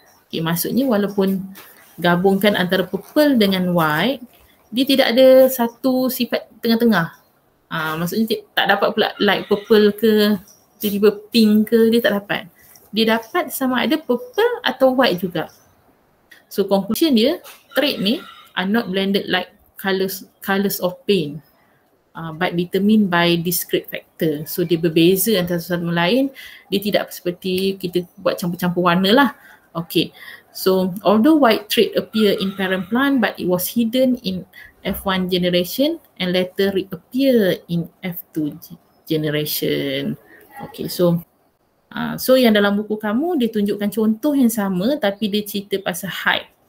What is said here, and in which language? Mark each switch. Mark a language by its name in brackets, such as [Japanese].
[Malay] Okay, maksudnya walaupun gabungkan antara purple dengan white, dia tidak ada satu sifat tengah-tengah. Maksudnya tak dapat pula light purple ke, tiba-tiba pink ke, dia tak dapat. Dia dapat sama ada purple atau white juga. [English] So conclusion dia, trait ni are not blended like colors of pain but determined by discrete factor. [Malay] So dia berbeza antara satu sama lain. Dia tidak seperti kita buat campur-campur warna lah. [English] Okay. So although white trait appear in parent plant but it was hidden in F1 generation and later reappear in F2 generation. [Malay] Okay, so so yang dalam buku kamu dia tunjukkan contoh yang sama tapi dia cerita pasal height.